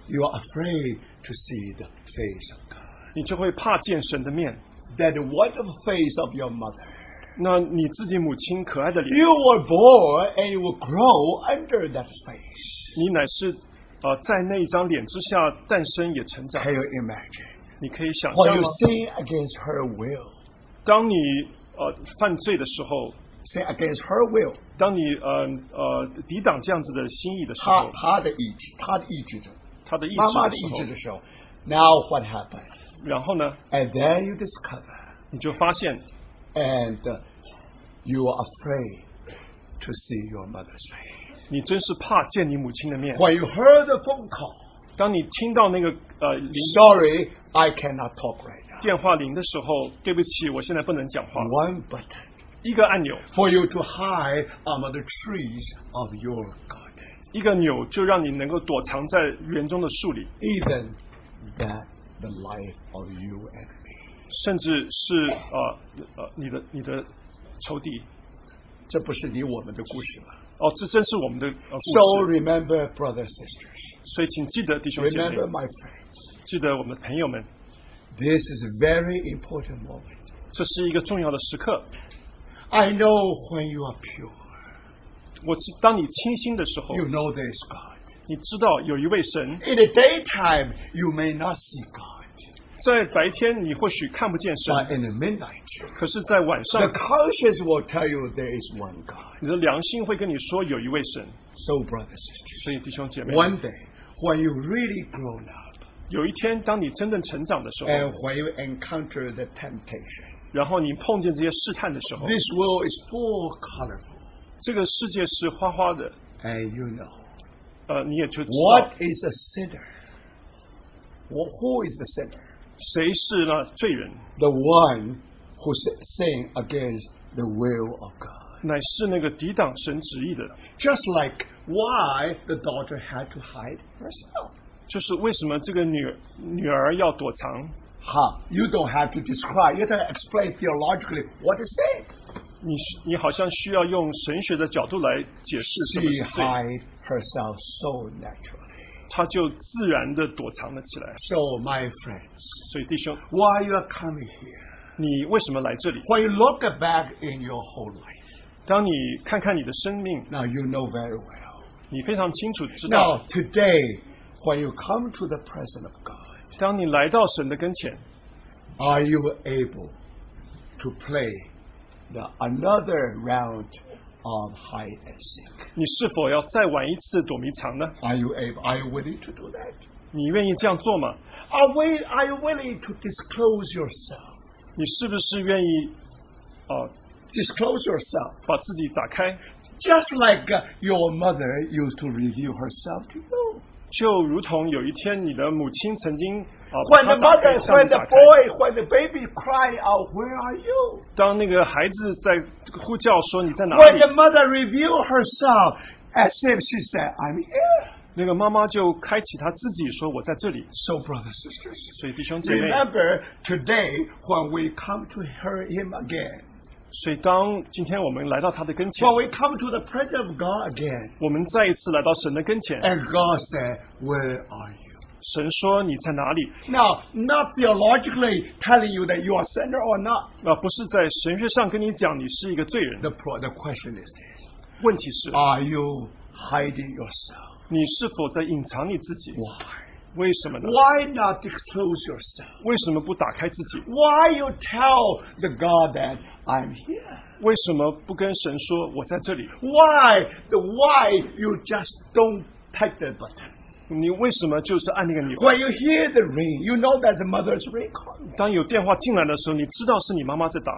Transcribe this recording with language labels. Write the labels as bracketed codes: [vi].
[en] you are afraid to see the face of God. [zh] 你就会怕见神的面。 [en] That wonderful face of your mother. [zh] 那你自己母亲可爱的脸。 [en] You were born and you will grow under that face. [zh] 你乃是, 在那一张脸之下诞生也成长。 [en] Can you imagine? [zh] 你可以想象吗? [en] When you sin against her will, [zh] 当你, 犯罪的时候, [en] sin against her will, [zh] 当你抵挡这样子的心意的时候, 他的意志的时候, [en] now what happened? [zh] 然后呢? [en] And then you discover, [zh] 你就发现, [en] and you are afraid to see your mother's face. [zh] 你真是怕见你母亲的面。 [en] When you heard the phone call, [zh] 当你听到那个, [en] sorry, I cannot talk right now. [zh] 电话铃的时候, 对不起, 我现在不能讲话。 [en] One button. [zh] 一个按钮, [en] for you to hide among the trees of your garden. [zh] 一个钮就让你能够躲藏在园中的树里, [en] even that the life of you and me. [zh] 甚至是, 你的仇敌。这不是你我们的故事吗? 哦, 这真是我们的, [en] so remember, brothers and sisters. [zh] 所以请记得弟兄姐妹, [en] remember, my friends. [zh] 记得我们的朋友们, [en] this is a very important moment. [zh] 这是一个重要的时刻。 [en] I know when you are pure. [zh] 我知道当你清新的时候, [en] you know there is God. [zh] 你知道有一位神。 [en] In the daytime, you may not see God. [zh] 在白天你或许看不见神, [en] but in the midnight, [zh] 可是在晚上, [en] the conscience will tell you there is one God. [zh] 你的良心会跟你说有一位神, [en] so, brothers and sisters, [zh] 所以弟兄姐妹, [en] one day, when you really grow up, [zh] 有一天, 当你真正成长的时候, [en] and when you encounter the temptation, [zh] 然后你碰见这些试探的时候, [en] this world is full colorful. [zh] 这个世界是花花的, [en] and you know, [zh] 你也就知道, [en] what is a sinner? Who is the sinner? [zh] 谁是那罪人? [en] The one who sinned against the will of God. Just like why the daughter had to hide herself. [zh] 就是为什么这个女儿要躲藏? [en] Huh? You don't have to describe. You have to explain theologically what is sin. [zh] 你好像需要用神学的角度来解释. [en] She hide herself so naturally. So, my friends, [zh] 所以弟兄, [en] why you are coming here? [zh] 你为什么来这里? [en] When you look back in your whole life, [zh] 当你看看你的生命, [en] now you know very well. [zh] 你非常清楚知道, [en] now, today, when you come to the presence of God, [zh] 当你来到神的跟前, [en] are you able to play the another round of hide and seek? [zh] 你是否要再玩一次躲迷藏呢? [en] Are you able? Are you willing to do that? [zh] 你愿意这样做吗? [en] Are you willing to disclose yourself? [zh] 你是不是愿意, [en] disclose yourself? [zh] 把自己打开? [en] Just like your mother used to reveal herself to you. [zh] 就如同有一天你的母亲曾经, [en] When the mother revealed herself as if she said, I'm here. [zh] 那个妈妈就开启她自己说我在这里. [en] So, brothers and sisters, [zh] 所以弟兄姐妹, [en] remember today when we come to hear him again. [zh] 所以当今天我们来到他的跟前, [en] when we come to the presence of God again, [zh] 我们再一次来到神的跟前, [en] and God said, where are you? [zh] 神说你在哪里? [en] Now, not theologically telling you that you are a sinner or not. [zh] 不是在神学上跟你讲你是一个罪人。 [en] The question is this. [zh] 问题是, [en] are you hiding yourself? [zh] 你是否在隐藏你自己? [en] Why? [zh] 为什么呢? [en] Why not disclose yourself? [zh] 为什么不打开自己? [en] Why you tell the God that I'm here? [zh] 为什么不跟神说我在这里? [en] Why you just don't type the button? When you hear the ring, you know that the mother's ring calling. [zh] 当有电话进来的时候, 你知道是你妈妈在打,